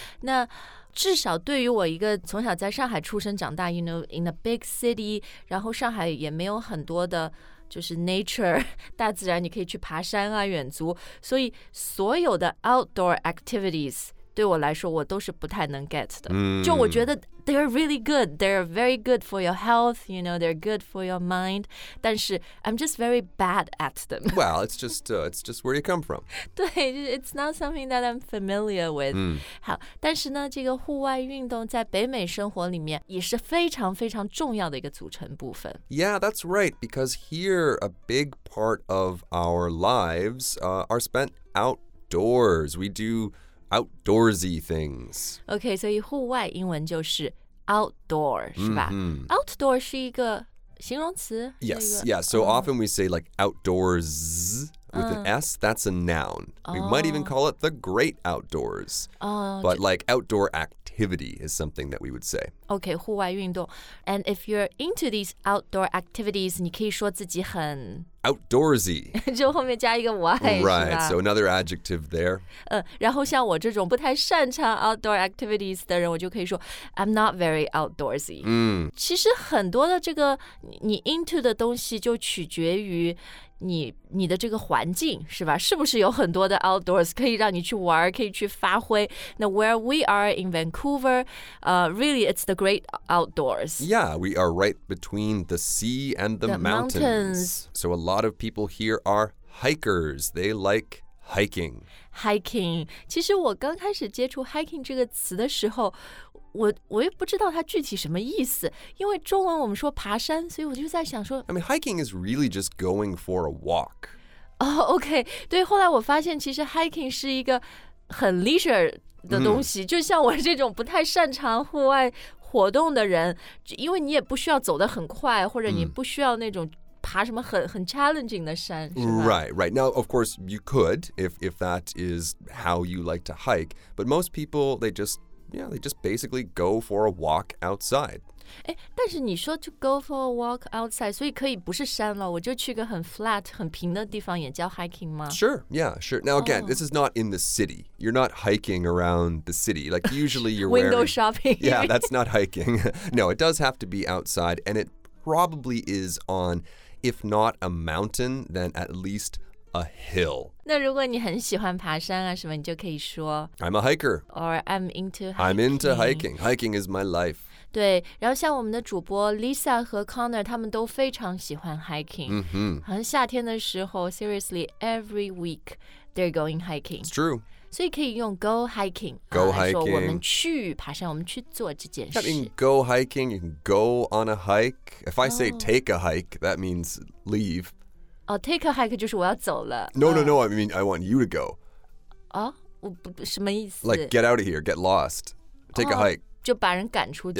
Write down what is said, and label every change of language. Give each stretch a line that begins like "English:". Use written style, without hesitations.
Chinese: 那至少对于我一个从小在上海出生长大
English: you know, in a big city,
Chinese: 然后上海也没有很多的就是
English: nature,
Chinese: 大自然你可以去爬山啊远足，所以所有的
English: outdoor activities
Chinese: 对我来说我都是不太能
English: get
Chinese: 的。就我觉得
English: they're really good, they're very good for your health, you know, they're good for your mind,
Chinese: 但是
English: I'm just very bad at them. Well, it's just where you come from.
Chinese: 对，
English: it's not something that I'm familiar with.
Chinese: 好，但是呢这个户外运动在北美生活里面也是非常非常重要的一个组成部分。
English: Yeah, that's right, because here a big part of our lives, are spent outdoors. We dodo outdoorsy things. Okay, so
Chinese: 户外英文就是 outdoor, 是吧？ Outdoor 是一个形容词。
English: Yes, yeah. So often we say like outdoors with an S, that's a noun. We might even call it the great outdoors. But like outdoor activity is something that we would say. Okay,
Chinese: 户外运动。
English: And if you're into these outdoor activities,
Chinese: 你可以说自己很
English: Outdoorsy.
Chinese: 就后面加一个 Y,
English: right, so another adjective there.
Chinese: 然后像我这种不太擅长
English: outdoor activities
Chinese: 的人，我就可以说
English: I'm not very outdoorsy.
Chinese: 其实很多的这个你
English: into
Chinese: 的东西就取决于你的这个环境，是吧？是不是有很多的
English: outdoors
Chinese: 可以让你去玩，可以去发挥？那
English: where we are in Vancouver, really it's the great outdoors. Yeah, we are right between the sea and the mountains. So a lot of people here are hikers. They like hiking. Hiking.
Chinese: 其实我刚开始接触 hiking 这个词的时候，我也不知道它具体什么意思，因为中文我们说爬山，所以我就在想说
English: I mean, hiking is really just going for a walk. Oh, okay.
Chinese: 对，后来我发现其实 hiking 是一个很
English: leisure
Chinese: 的东西，就像我这种不太擅长户外活动的人，因为你也不需要走得很快，或者你不需要那种爬什么很
English: challenging
Chinese: 的山，是吧？
English: Right, right. Now, of course, you could, if that is how you like to hike, but most people, they just basically go for a walk outside.
Chinese: 但是你说
English: to go for a walk outside,
Chinese: 所以可以不是山了，我就去个很
English: flat,
Chinese: 很平的地方也叫 hiking 吗？
English: Sure, yeah, sure. Now again, this is not in the city. You're not hiking around the city. Like usually you're window Window shopping. Yeah, that's not hiking. No, it does have to be outside, and it probably is on, if not a mountain, then at least a hill.
Chinese: 那如果你很喜欢爬山啊什么，你就可以说
English: I'm a hiker. Or I'm into hiking. I'm into hiking. Hiking is my life.
Chinese: 对，然后像我们的主播 Lisa 和 Connor 他们都非常喜欢 hiking. 好像夏天的时候
English: seriously, every week they're going hiking. It's true.
Chinese: 所以可以用 go hiking.
English: Go hiking.
Chinese: 我们去爬山，我们去做这件事。
English: You can go hiking, you can go on a hike. If I say take a hike, that means leave. Oh, take a hike
Chinese: 就是我要走了。
English: No, no, no, I mean I want you to go.
Chinese: 啊，我不，什么意思？
English: Like get out of here, get lost, take a hike.
Chinese: 就把人赶出去。